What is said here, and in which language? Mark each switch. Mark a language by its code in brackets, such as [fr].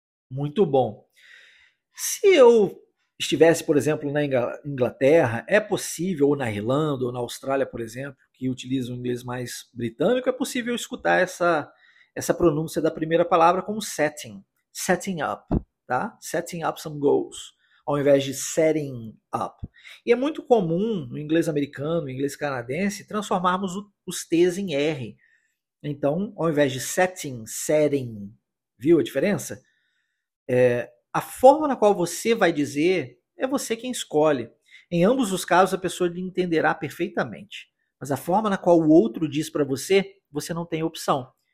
[pt] Muito bom. Se eu estivesse, por exemplo, na Inglaterra, é possível, ou na Irlanda, ou na Austrália, por exemplo, que utiliza o inglês mais britânico, é possível escutar essa pronúncia da primeira palavra como setting. [en] Setting up, tá? Setting up some goals, [pt] ao invés de [en] setting up. [pt] E é muito comum no inglês americano, no inglês canadense, transformarmos os T's em R. Então, ao invés de setting, viu a diferença? A forma na qual você vai dizer é você quem escolhe. Em ambos os casos, a pessoa lhe entenderá perfeitamente. Mas a forma na qual o outro diz para você, você não tem opção.